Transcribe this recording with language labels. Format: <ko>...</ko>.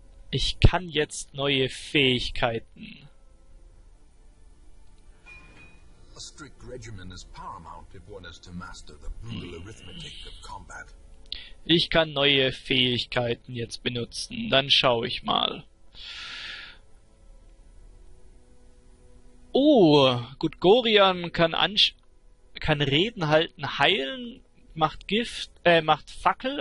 <de>Ich kann jetzt neue Fähigkeiten.</de> <en>A strict regimen is paramount if one is to master the brutal arithmetic of combat.</en> <de>Ich kann neue Fähigkeiten jetzt benutzen. Dann schaue ich mal. Oh, gut, Gorian kann Reden halten, heilen, macht Gift, macht Fackel.</de>